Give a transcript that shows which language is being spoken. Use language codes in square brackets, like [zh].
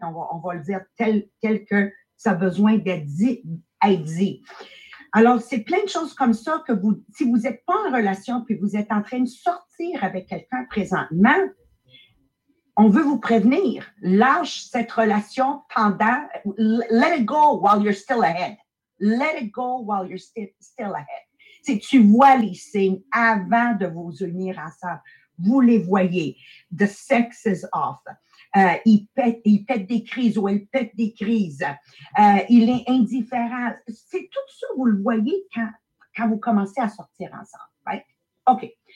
[fr] On va le dire tel que ça a besoin d'être dit, Alors, c'est plein de choses comme ça que vous, si vous n'êtes pas en relation puis vous êtes en train de sortir avec quelqu'un présentement, on veut vous prévenir. Lâche cette relation pendant... [en] Let it go while you're still ahead. Let it go while you're still ahead. [fr] Si tu vois les signes avant de vous unir ensemble, vous les voyez. [en] The sex is off. [fr] Il pète des crises ou elle pète des crises. Il est indifférent. C'est tout ça, vous le voyez quand vous commencez à sortir ensemble. [en] Right? [fr] OK.